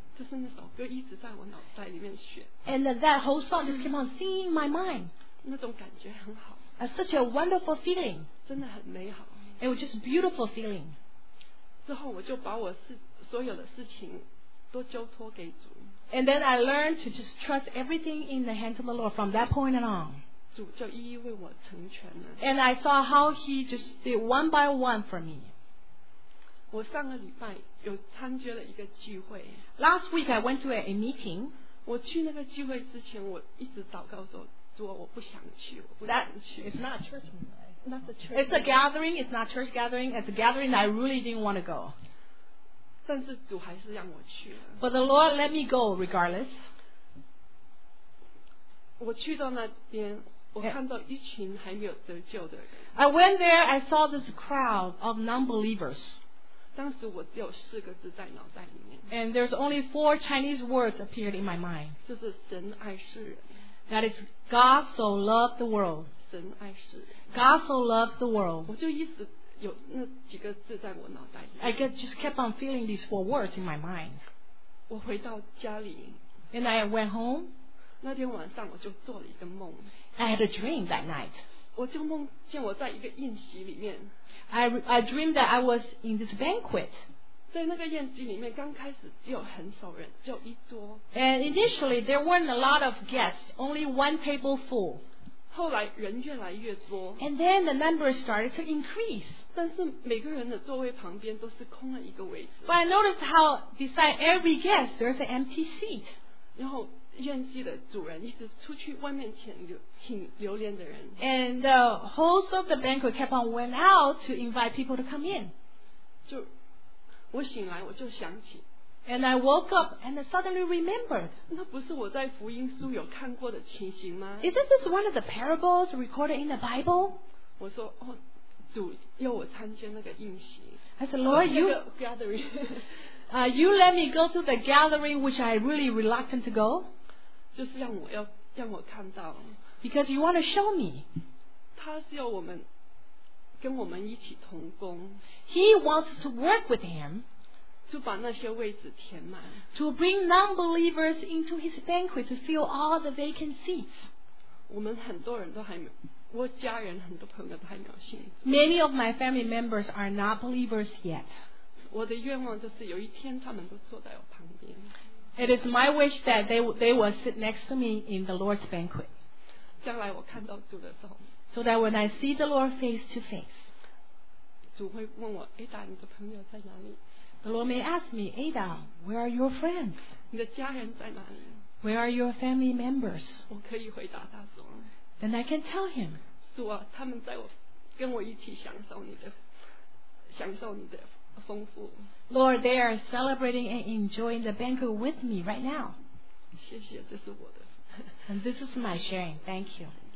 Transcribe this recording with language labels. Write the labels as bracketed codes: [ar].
[zh] 就是那首歌一直在我脑袋里面旋。 [en] And that whole song just kept on singing in my mind. [zh] 那种感觉很好。 [en] Such a wonderful feeling. [zh] 真的很美好。 [en] It was just a beautiful feeling. [zh] 之后我就把我所有的事情都交托给主。 [en] And then I learned to just trust everything in the hands of the Lord from that point on. [zh] 主就一一为我成全了。 [en] And I saw how He just did one by one for me. [zh] 我上个礼拜有参加了一个聚会。 [en] Last week I went to a meeting. [zh] 我去那个聚会之前，我一直祷告说：“主，我不想去，我不想去。” [en] It's not a church. Not a church. It's a gathering. It's not church gathering. It's a gathering I really didn't want to go. [zh] 但是主还是让我去了。 [en] But the Lord let me go regardless. [zh] 我去到那边。我看到一群还没有得救的人。 [en] I went there. I saw this crowd of non-believers. [zh] 当时我只有四个字在脑袋里面。 [en] And there's only four Chinese words appeared in my mind. [zh] 就是神爱世人。 [en] That is God so loved the world. [zh] 神爱世人。 [en] God so loved the world. [zh] 我就一直有那几个字在我脑袋里面。 [en] I just kept on feeling these four words in my mind. [zh] 我回到家里。 [en] And I went home. [zh] 那天晚上我就做了一个梦。 [en] I had a dream that night. [zh] 我就梦见我在一个宴席里面。 [en] I dreamed that I was in this banquet. [zh] 在那个宴席里面，刚开始只有很少人，只有一桌。 [en] And initially there weren't a lot of guests, only one table full. [zh] 后来人越来越多。 [en] And then the numbers started to increase. [zh] 但是每个人的座位旁边都是空了一个位置。 [en] But I noticed how beside every guest there's an empty seat. [zh] 然后宴席的主人一直出去外面请留连的人。 [en] And the host of the banquet kept on went out to invite people to come in. [zh] 就我醒来我就想起。 [en] And I woke up and I suddenly remembered. [zh] 那不是我在福音书有看过的情形吗？ [en] Isn't this one of the parables recorded in the Bible? [zh] 我说哦，主要我参加那个宴席。 [en] I said, Lord, you gathering. You let me go to the gallery which I really reluctant to go. [zh] 就是让我看到。 [en] Because you want to show me. [zh] 他是要我们跟我们一起同工。 [en] He wants to work with him. [zh] 就把那些位置填满。 [en] To bring non-believers into his banquet to fill all the vacant seats. [zh] 我们很多人都还没有，我家人很多朋友都还没有信。 [en] Many of my family members are not believers yet. [zh] 我的愿望就是有一天他们都坐在我旁边。 [en] It is my wish that they will sit next to me in the Lord's banquet. [zh] 将来我看到主的时候。 [en] So that when I see the Lord face to face. [zh] 主会问我 ，Ada， 你的朋友在哪里 [en] ？The Lord may ask me, Ada, where are your friends? [zh] 你的家人在哪里 [en] ？Where are your family members? [zh] 我可以回答他说。 [en] Then I can tell him. [zh] 主啊，他们在我跟我一起享受你的，享受你的。 [en] Lord, they are celebrating and enjoying the banquet with me right now. [zh] 谢谢，这是我的。 [en] And this is my sharing. Thank you.